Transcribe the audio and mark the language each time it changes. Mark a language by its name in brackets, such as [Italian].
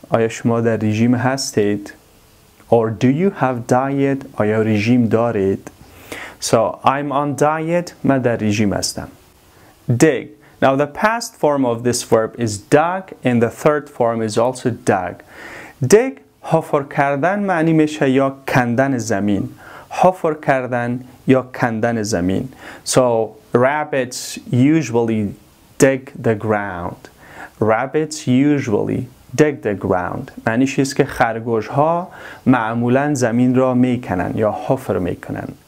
[Persian] آیا شما در رژیم هستید؟ [English] Or do you have diet? [Persian] آیا رژیم دارید؟ [English] So I'm on diet. [Persian] من در رژیم هستم. [English] Dig. Now the past form of this verb is dug and the third form is also dug. Dig. [Persian] حفر کردن معنی میشه یا کندن زمین. حفر کردن یا کندن زمین. [English] So rabbits usually dig the ground. Rabbits usually dig the ground. [Persian] معنیش ایست که خرگوش ها معمولا زمین را میکنن یا حفر میکنن.